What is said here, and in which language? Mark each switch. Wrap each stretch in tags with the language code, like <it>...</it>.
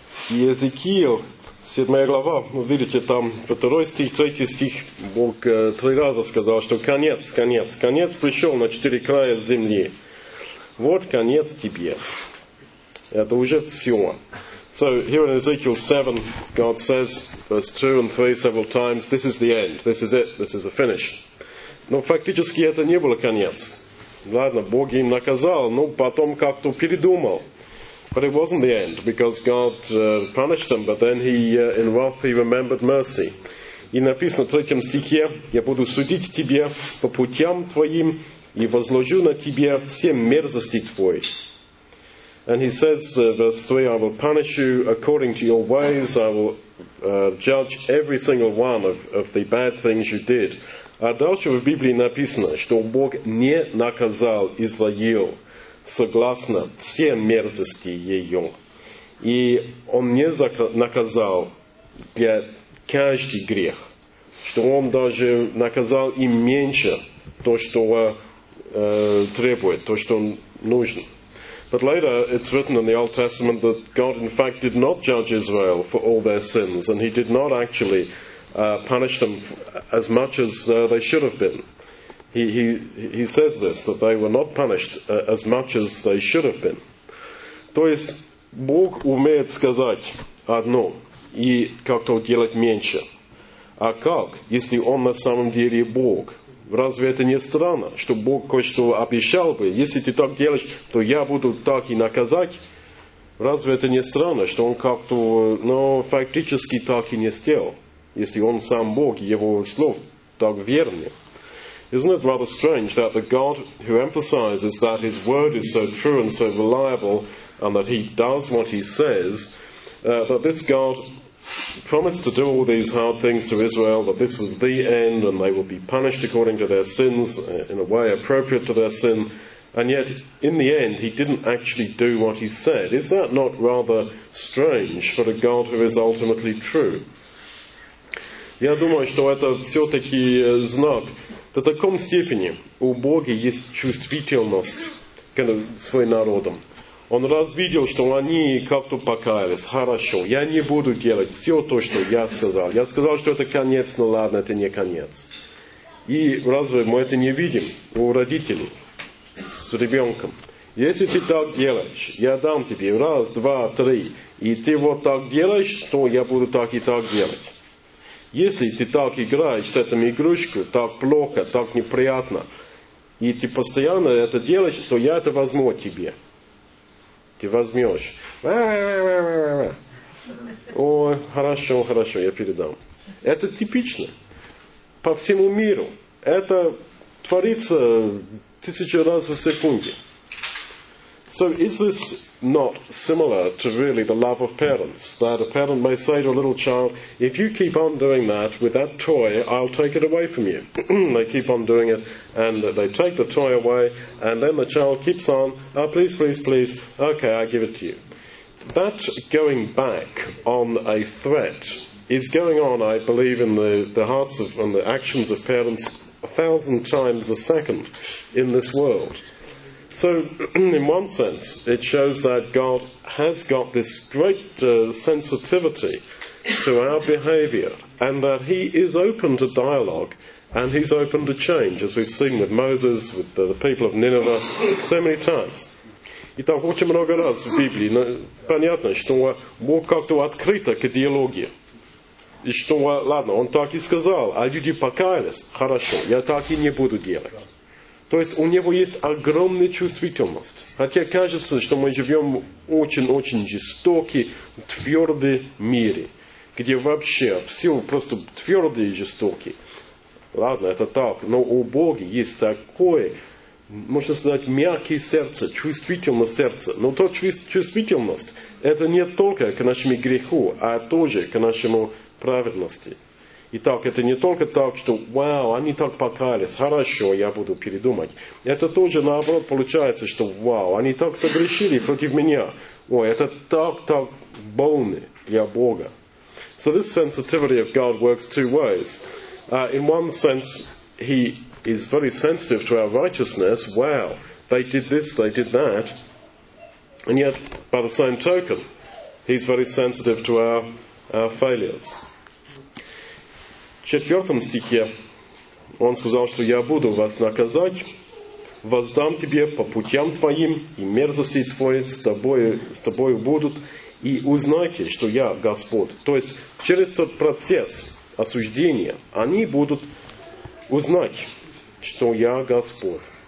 <ru>Jezekiel, 7 глава, вы видите там 2 стих, 3 стих, Бог 3 раза сказал, что конец пришел на 4 края земли. Вот конец тебе. Это уже все.</ru> <en>So here in Ezekiel 7, God says, verse 2 and 3 several times, this is the end, this is it, this is the finish.</en> <ru>Но фактически это не было конец. Ладно, Бог им наказал, но потом как-то передумал.</ru> <en>But it wasn't the end, because God punished them, but then in wrath he remembered mercy.</en> <ru>И написано в 3 стихе, я буду судить тебя по путям твоим, и возложу на тебя все мерзости твои.</ru> <en>And he says, verse 3, I will punish you according to your ways, I will judge every single one of the bad things you did.</en> <ru>А дальше в Библии написано, что Бог не наказал Израил согласно всем мерзости ее. И он не наказал для каждый грех, что он даже наказал им меньше то, что требует, то, что нужно.</ru> <en>But later it's written in the Old Testament that God in fact did not judge Israel for all their sins, and he did not actually punish them as much as they should have been. He says this, that they were not punished as much as they should have been.</en> <ru>То есть, Бог умеет сказать одно и как-то делать меньше. А как, если он на самом деле Бог? Разве это не странно, что Бог кое-что обещал бы, если ты так делаешь, то я буду так и наказать? Разве это не странно, что он как-то, ну, фактически так и не сделал, если он сам Бог, его слов так верны?</ru> <en>Isn't it rather strange that the God who emphasizes that his word is so true and so reliable and that he does what he says, that this God promised to do all these hard things to Israel, that this was the end and they would be punished according to their sins in a way appropriate to their sin, and yet in the end he didn't actually do what he said. Is that not rather strange for a God who is ultimately true?</en> <ru>Я думаю, что это все-таки знак. До такой степени у Бога есть чувствительность к своим народам. Он раз видел, что они как-то покаялись. Хорошо, я не буду делать все то, что я сказал. Я сказал, что это конец, но ладно, это не конец. И разве мы это не видим у родителей с ребенком? Если ты так делаешь, я дам тебе раз, два, три, и ты вот так делаешь, то я буду так и так делать. Если ты так играешь с этой игрушкой, так плохо, так неприятно, и ты постоянно это делаешь, то я это возьму тебе. Ты возьмешь. О, хорошо, хорошо, я передам. Это типично. По всему миру. Это творится 1000 раз в секунде.</ru> <en>So is this not similar to really the love of parents? That a parent may say to a little child, if you keep on doing that with that toy, I'll take it away from you. They keep on doing it, and they take the toy away, and then the child keeps on, oh, please, please, please, okay, I give it to you. That going back on a threat is going on, I believe, in the hearts of and the actions of parents 1,000 times a second in this world. So, in one sense, it shows that God has got this great sensitivity to our behavior, and that he is open to dialogue, and he's open to change, as we've seen with Moses, with the people of Nineveh, so many times.</en> <ru>Итак, очень много раз в Библии понятно, что Бог как-то открыто к идеологии. И что, ладно, он так и сказал, а люди покаялись, хорошо, я так и не буду делать. То есть у него есть огромная чувствительность. Хотя кажется, что мы живем в очень-очень жестоком, твердом мире, где вообще все просто твердые и жестокие. Ладно, это так, но у Бога есть такое, можно сказать, мягкое сердце, чувствительное сердце. Но то чувствительность, это не только к нашему греху, а тоже к нашему праведности. Итак, это не только так, что «Вау, они так покаялись, хорошо, я буду передумать». Это тоже наоборот получается, что «Вау, они так согрешили против меня». Ой, это так больно для Бога.</ru> <en>So this sensitivity of God works two ways. In one sense, he is very sensitive to our righteousness. Wow, they did this, they did that. And yet, by the same token, He's very sensitive to our failures.</en> <ru>В четвертом стихе он сказал, что я буду вас наказать, воздам тебе по путям твоим, и мерзости твои с тобою будут, и узнайте, что я Господь. То есть через тот процесс осуждения они будут узнать, что я Господь.</ru>